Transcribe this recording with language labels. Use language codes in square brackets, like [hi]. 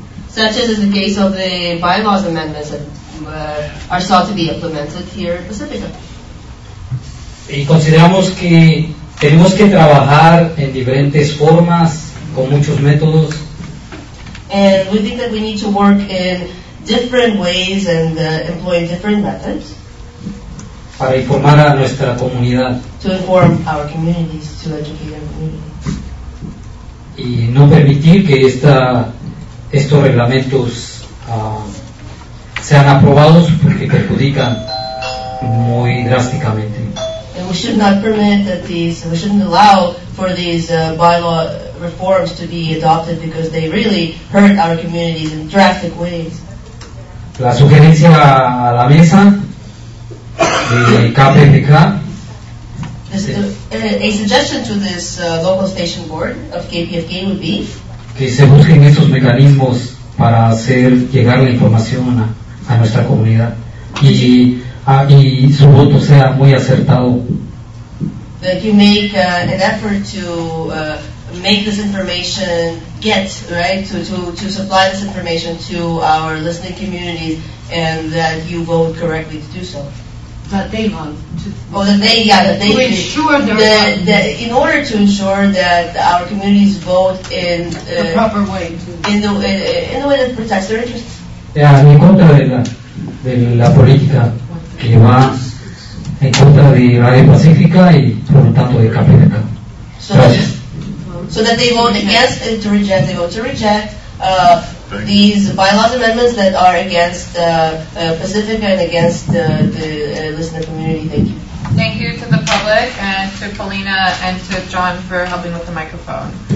[en] Such as in the case of the bylaws amendments that are sought to be implemented here in Pacifica. [es] Y consideramos que tenemos que trabajar en diferentes formas, con muchos métodos. [en] And we think that we need to work in different ways and employ different methods. [es] Para informar a nuestra comunidad. [en] To inform our communities, to educate our communities. [es] Y no permitir que estos reglamentos sean aprobados porque perjudican muy drásticamente. [en] And we should not permit that these, we shouldn't allow for these bylaw reforms to be adopted because they really hurt our communities in drastic ways. [es] La sugerencia a la mesa de KPFK. [en] A suggestion to this local station board of KPFK would be [es] que se busquen esos mecanismos para hacer llegar la información a nuestra comunidad y su voto sea muy acertado. [en] That you make an effort to make this information get, right, to supply this information to our listening communities and that you vote correctly to do so. In order to ensure that our communities vote in the proper way, in the way that protects their interests. [es] Yeah, en contra de la política que va en contra de Radio Pacífica y por lo tanto de Capital. Gracias. [en] So that they vote against and to reject, they vote to reject these bylaws amendments that are against Pacifica and against the listener community. Thank you. Thank you to the public and to Paulina and to John for helping with the microphone.